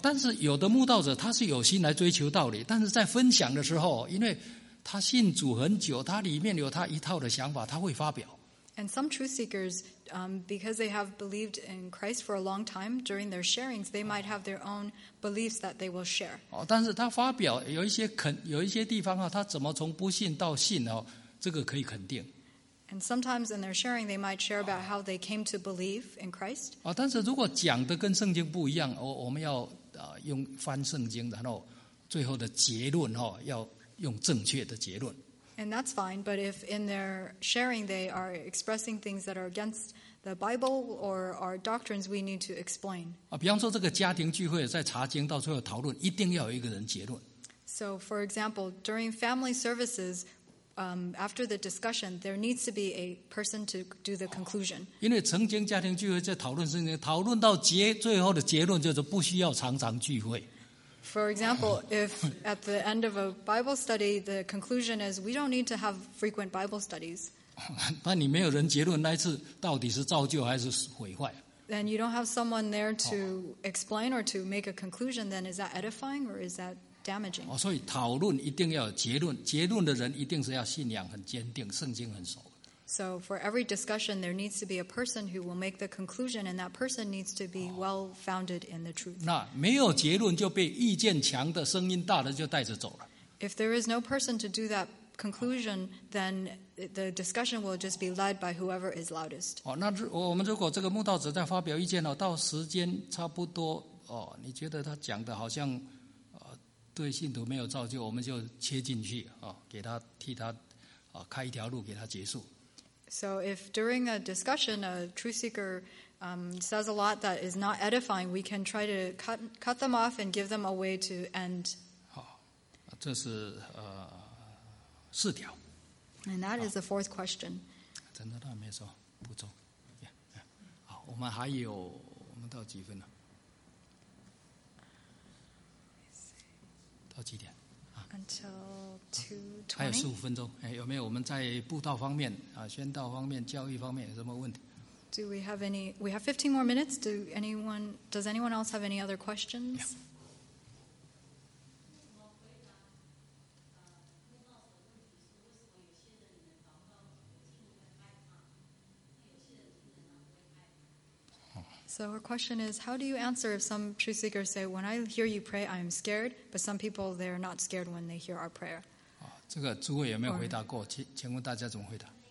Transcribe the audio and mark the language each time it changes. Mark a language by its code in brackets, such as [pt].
[zh] 但是有的慕道者他是有心来追求道理，但是在分享的时候，因为他信主很久，他里面有他一套的想法，他会发表。 [en] And some truth seekers, because they have believed in Christ for a long time, during their sharings, they might have their own beliefs that they will share. [zh] 但是他发表有一些地方他怎么从不信到信这个可以肯定。 [en] And sometimes in their sharing, they might share about how they came to believe in Christ. [zh] 但是如果讲的跟圣经不一样，我们要用翻圣经，然后最后的结论要用正确的结论。 [en] And that's fine, but if in their sharing they are expressing things that are against the Bible or our doctrines, we need to explain. [zh] 比方说这个家庭聚会在查经到最后讨论，一定要有一个人结论。 [en] So for example, during family services, after the discussion, there needs to be a person to do the conclusion. [zh] 因为曾经家庭聚会在讨论圣经，讨论到最后的结论就是不需要常常聚会。 [en] For example, if at the end of a Bible study, the conclusion is we don't need to have frequent Bible studies. [zh] 那你没有人结论那一次到底是造就还是毁坏？ [en] Then you don't have someone there to explain or to make a conclusion. Then is that edifying or is that damaging? [zh] 所以讨论一定要有结论，结论的人一定是要信仰很坚定，圣经很熟。 [en] So for every discussion, there needs to be a person who will make the conclusion, and that person needs to be well-founded in the truth. [zh] 那没有结论就被意见强的、声音大的就带着走了。 [en] If there is no person to do that conclusion, then the discussion will just be led by whoever is loudest. [zh] 那我们如果这个慕道者在发表意见到时间差不多你觉得他讲的好像对信徒没有造就，我们就切进去给他替他开一条路给他结束。 [en] So if during a discussion a truth seeker says a lot that is not edifying, we can try to cut them off and give them a way to end. [zh] 这是四条。 [en] And that is the fourth question. [zh] 真的，他没说不走。Yeah. 好，我们还有，我们到几分了？到几点？ [en] Until 2:20. [zh] 还有十五分钟，有没有我们在布道方面宣道方面、教育方面有什么问题 [en] ？Do we have any? We have 15 more minutes. Does anyone else have any other questions? Yeah. So her question is, how do you answer if some truth seekers say, when I hear you pray, I am scared, but some people, they're not scared when they hear our prayer? [zh] 这个诸位有没有回答过？请问大家怎么回答？